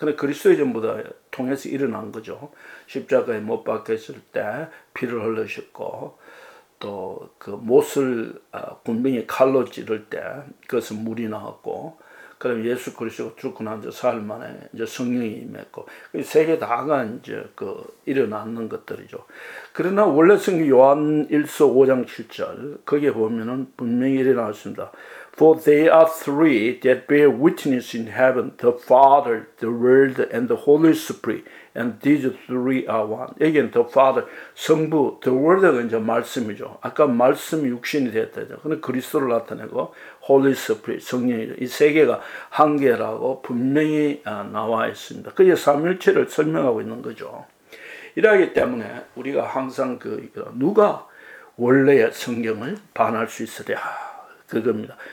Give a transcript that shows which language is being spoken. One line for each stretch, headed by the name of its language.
Korean: 그런데 그리스도의 전부 다 통해서 일어난 거죠. 십자가에 못 박혔을 때 피를 흘리셨고 또 그 못을 군병이 칼로 찌를 때 그것은 물이 나왔고 그럼 예수 그리스도가 죽고 난 지 사흘 만에 이제 성령이 임했고 세 개 다가 이제 그 일어났는 것들이죠. 그러나 원래 성경 요한 1서 5장 7절 거기에 보면은 분명히 일어났습니다.
English: For they are three that bear witness in heaven, the Father, the Word, and the Holy Spirit, and these three are one. Again, the Father, 성부, the Word가
Korean: 이제 말씀이죠. 아까 말씀이 육신이 되었다. 그런데 그리스도를 나타내고, Holy Spirit, 성령이죠. 이 세 개가 한 개라고 분명히 나와 있습니다. 그게 삼일체를 설명하고 있는 거죠. 이러기 때문에 우리가 항상 그, 누가 원래의 성경을 반할 수 있으랴. 그겁니다.